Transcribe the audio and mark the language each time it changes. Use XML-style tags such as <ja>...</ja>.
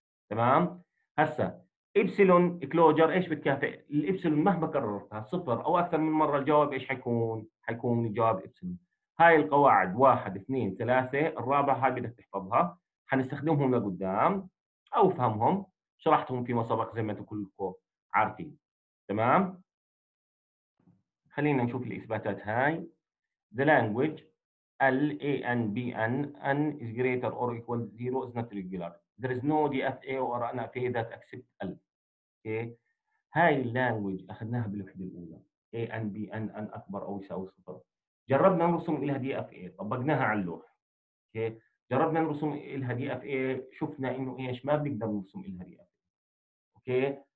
<ar>تمام؟ هسا إبسلون كلوجر إيش بتكافئ؟ الإبسلون مهما كررتها صفر أو أكثر من مرة الجواب إيش حيكون؟ حيكون الجواب إبسلون. هاي القواعد واحد اثنين ثلاثة، الرابعة هاي بدك تحفظها، حنستخدمهم لقدام أو فهمهم، شرحتهم فيما سبق زي ما أنتم كلكم عارفين. تمام؟ خلينا نشوف الإثباتات هاي.</ar> <en>The language L A N B N N is greater or equal to zero is not regular. There is no DFA or NFA that accept L. Okay.</en> <ar>هاي اللانجوج أخذناها بالوحدة الأولى.</ar> <en>A and B and N</en> <ar>أكبر أو يساوي صفر. جربنا نرسم إلها DFA، طبقناها على اللوح.</ar> <en>Okay.</en> <ar>جربنا نرسم إلها DFA، شفنا إنه إيش؟ ما بنقدر نرسم إلها DFA.</ar> <en>Okay.</en>